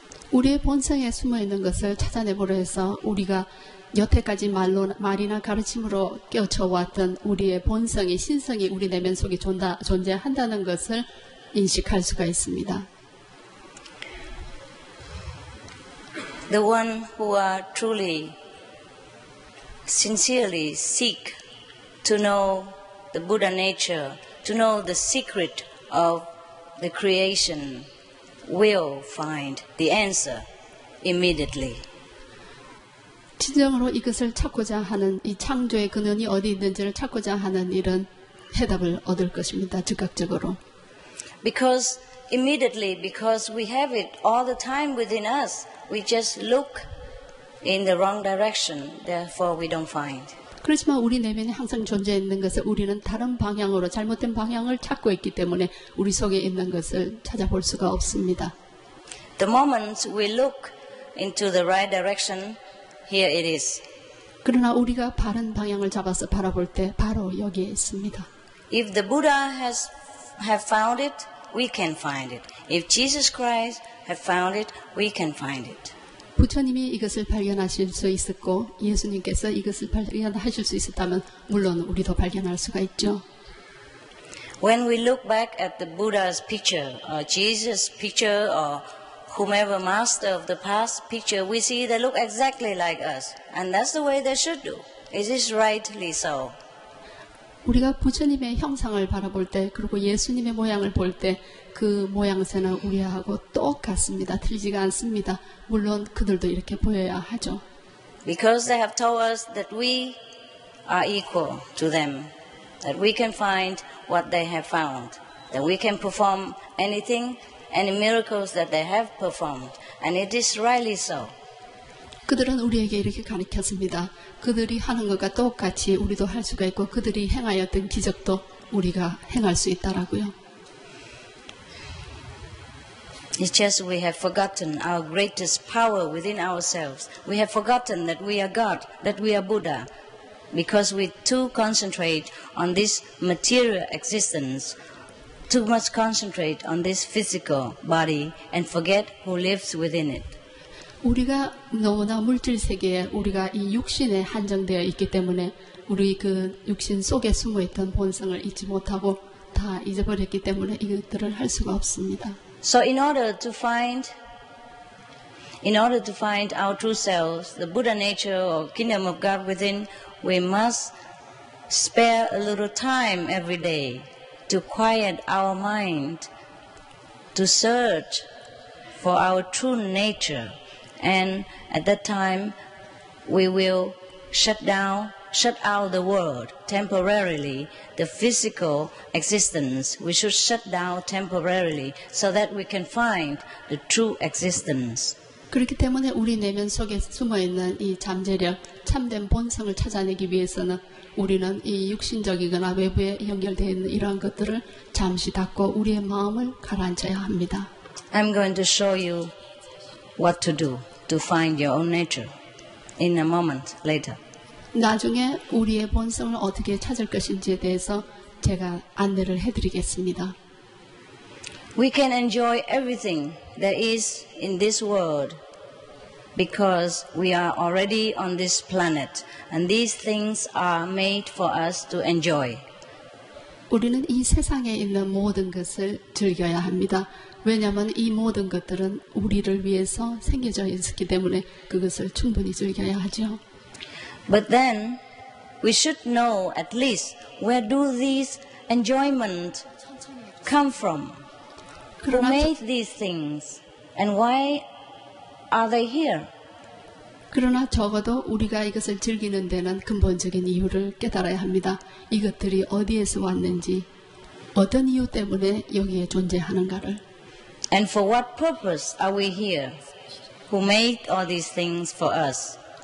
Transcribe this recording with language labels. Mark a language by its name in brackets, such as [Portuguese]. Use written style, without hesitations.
[Korean] 우리의 본성에 숨어 있는 것을 찾아내보려 해서 우리가 여태까지 말이나 가르침으로 깨쳐왔던 우리의 본성이 신성이 우리 내면 속에 존재한다는 것을 인식할 수가 있습니다. [English] The one who are truly, sincerely seek to know the Buddha nature, to know the secret of the creation, will find the answer immediately. [Korean] 진정으로 이것을 찾고자 하는 이 창조의 근원이 어디 있는지를 찾고자 하는 이런 해답을 얻을 것입니다. 즉각적으로. [English] Because we have it all the time within us. We just look in the wrong direction, therefore we don't find. [Korean] 그렇지만 우리 내면에 항상 존재해 있는 것을 우리는 다른 방향으로 잘못된 방향을 찾고 있기 때문에 우리 속에 있는 것을 찾아볼 수가 없습니다. [English] The moment we look into the right direction, here it is. [Korean] 그러나 우리가 바른 방향을 잡아서 바라볼 때 바로 여기에 있습니다. [English] If the Buddha have found it, we can find it. If Jesus Christ have found it, we can find it. [Korean] 부처님이 이것을 발견하실 수 있었고 예수님께서 이것을 발견하실 수 있었다면 물론 우리도 발견할 수가 있죠. [English] When we look back at the Buddha's picture, or Jesus' picture, or whomever master of the past picture, we see they look exactly like us. And that's the way they should do. It is rightly so. [Korean] 우리가 부처님의 형상을 바라볼 때 그리고 예수님의 모양을 볼 때 그 모양새는 우리하고 똑같습니다. 틀리지가 않습니다. 물론 그들도 이렇게 보여야 하죠. [English] Because they have told us that we are equal to them, that we can find what they have found, that we can perform anything, any miracles that they have performed, and it is rightly so. [Korean] 그들은 우리에게 이렇게 가르쳤습니다. 그들이 하는 것과 똑같이 우리도 할 수가 있고 그들이 행하였던 기적도 우리가 행할 수 있다라고요. [English] It's just we have forgotten our greatest power within ourselves. We have forgotten that we are God, that we are Buddha. Because we too concentrate on this material existence, too much concentrate on this physical body and forget who lives within it. [Korean] 우리가 너무나 물질 세계에 우리가 이 육신에 한정되어 있기 때문에 우리 그 육신 속에 숨어있던 본성을 잊지 못하고 다 잊어버렸기 때문에 이것들을 할 수가 없습니다. [English] So in order to find our true selves, the Buddha nature or kingdom of God within, we must spare a little time every day to quiet our mind, to search for our true nature. And at that time, we will shut down, shut out the world temporarily, the physical existence. We should shut down temporarily so that we can find the true existence. [Korean] 그렇기 때문에 우리 내면 속에 숨어 있는 이 잠재력, 참된 본성을 찾아내기 위해서는 우리는 이 육신적이거나 외부에 연결되어 있는 이러한 것들을 잠시 닫고 우리의 마음을 가라앉혀야 합니다. [English] I'm going to show you what to do to find your own nature in a moment later. [Korean] 나중에 우리의 본성을 어떻게 찾을 것인지에 대해서 제가 안내를 해드리겠습니다. [English] We can enjoy everything there is in this world because we are already on this planet and these things are made for us to enjoy. [Korean] 우리는 이 세상에 있는 모든 것을 즐겨야 합니다. 왜냐하면 이 모든 것들은 우리를 위해서 생겨져 있기 때문에 그것을 충분히 즐겨야 하죠. [English] But then we should know at least where do these enjoyment come from? Who made these things and why are they here? [Korean] 그러나 적어도 우리가 이것을 즐기는 데는 근본적인 이유를 깨달아야 합니다. 이것들이 어디에서 왔는지, 어떤 이유 때문에 여기에 존재하는가를. [English] And for what purpose are we here? Who made all these things for us?